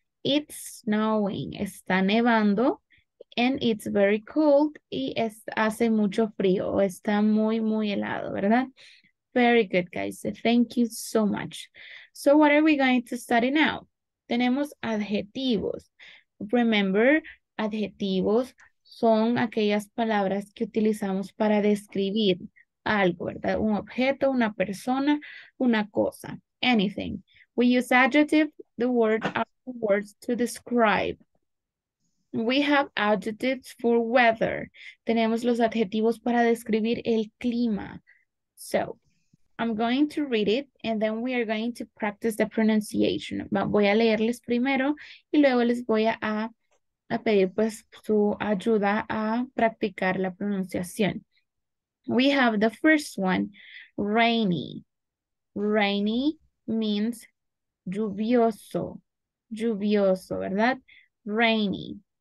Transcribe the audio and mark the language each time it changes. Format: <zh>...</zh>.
<en>It's snowing. Está nevando. And it's very cold.</en> <es>Y hace mucho frío. Está muy, muy helado, ¿verdad? Very good, guys.</es> <en>Thank you so much. So what are we going to study now?</en> <es>Tenemos adjetivos. Remember, adjetivos son aquellas palabras que utilizamos para describir algo, ¿verdad? Un objeto, una persona, una cosa, anything.</es> <en>We use adjective, the word, are words to describe.</en> <es>We have adjectives for weather. Tenemos los adjetivos para describir el clima.</es> <en>So, I'm going to read it and then we are going to practice the pronunciation.</en> <es>Voy a leerles primero y luego les voy a pedir pues su ayuda a practicar la pronunciación.</es> <en>We have the first one, rainy. Rainy means lluvioso, lluvioso, ¿verdad? Rainy.</en>